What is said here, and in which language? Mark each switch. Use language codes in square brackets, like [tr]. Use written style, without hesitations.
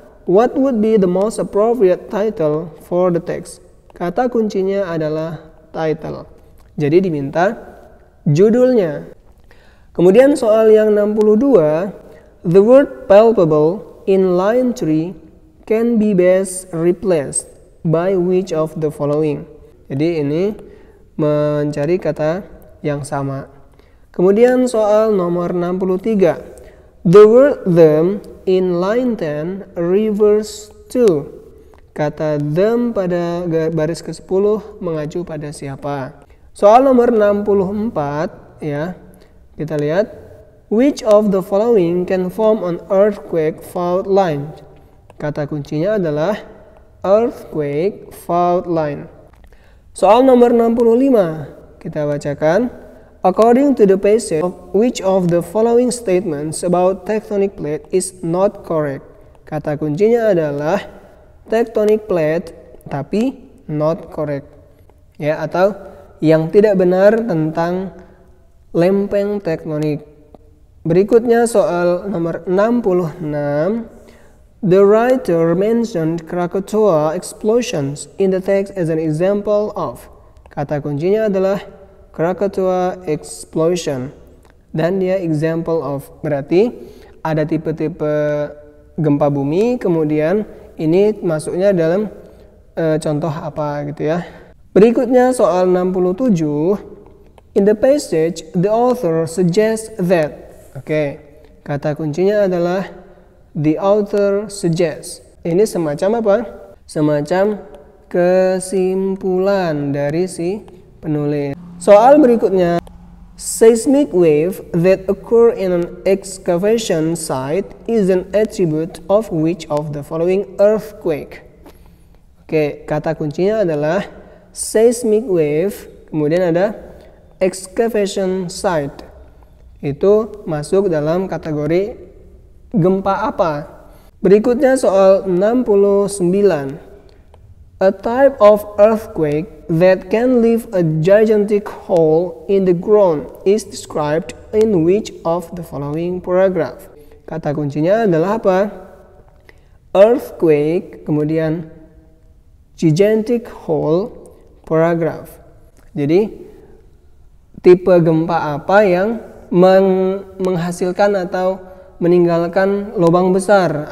[en] What would be the most appropriate title for the text? [id] Kata kuncinya adalah title. Jadi diminta judulnya. Kemudian soal yang 62, [en] the word palpable in line 3 can be best replaced by which of the following? [id] Jadi ini mencari kata yang sama. Kemudian soal nomor 63, [en] the word them in line 10 refers to. [id] Kata them pada baris ke-10 mengacu pada siapa? Soal nomor 64 ya. Kita lihat, [en] which of the following can form an earthquake fault line? [id] Kata kuncinya adalah earthquake fault line. Soal nomor 65, kita bacakan. [en] According to the passage, which of the following statements about tectonic plate is not correct? [id] Kata kuncinya adalah tectonic plate, tapi [en] not correct. [id] Ya, atau yang tidak benar tentang lempeng tektonik. Berikutnya soal nomor 66. [en] The writer mentioned Krakatoa explosions in the text as an example of. [id] Kata kuncinya adalah Krakatoa explosion. Dan dia [en] example of. [id] Berarti ada tipe-tipe gempa bumi. Kemudian ini masuknya dalam contoh apa gitu ya. Berikutnya soal 67. [en] In the passage, the author suggests that. Okay. [id] Kata kuncinya adalah [en] the author suggests. [id] Ini semacam apa? Semacam kesimpulan dari si penulis. Soal berikutnya. [en] Seismic wave that occur in an excavation site is an attribute of which of the following earthquake? Okay. [id] Kata kuncinya adalah seismic wave. Kemudian ada excavation site, itu masuk dalam kategori gempa apa? Berikutnya soal 69. [en] A type of earthquake that can leave a gigantic hole in the ground is described in which of the following paragraph? [id] Kata kuncinya adalah apa? Earthquake, kemudian gigantic hole, paragraph. Jadi tipe gempa apa yang menghasilkan atau meninggalkan lubang besar?